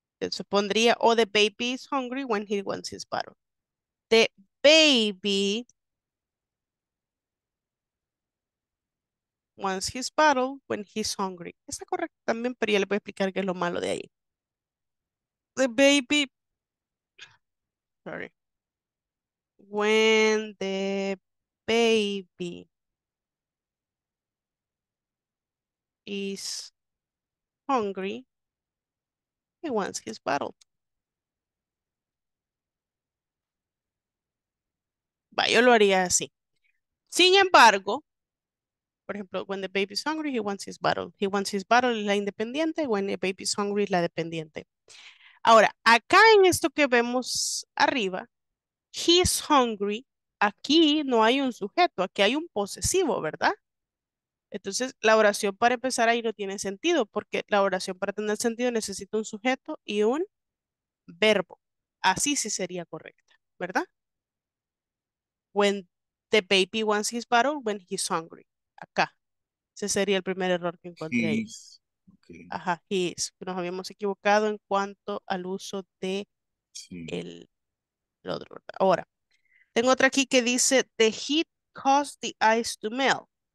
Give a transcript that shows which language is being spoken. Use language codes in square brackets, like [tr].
[es] Se pondría, [en] oh, the baby is hungry when he wants his bottle. The baby wants his bottle when he's hungry. [es] Está correcto también, pero ya le voy a explicar qué es lo malo de ahí. [en] The baby, sorry, when the baby is hungry, he wants his bottle. [es] Va, yo lo haría así. Sin embargo, por ejemplo, [en] when the baby is hungry, he wants his bottle. He wants his bottle [es] es la independiente. [en] When the baby is hungry [es] es la dependiente. Ahora, acá en esto que vemos arriba, [en] he's hungry, [es] aquí no hay un sujeto, aquí hay un posesivo, ¿verdad? Entonces, la oración para empezar ahí no tiene sentido, porque la oración para tener sentido necesita un sujeto y un verbo. Así sí sería correcta, ¿verdad? [en] When the baby wants his bottle, when he's hungry. [es] Acá. Ese sería el primer error que encontré ahí. [en] Okay. Ajá, he is. [es] Nos habíamos equivocado en cuanto al uso de el otro. Ahora, tengo otra aquí que dice, [en] the heat caused the ice to melt.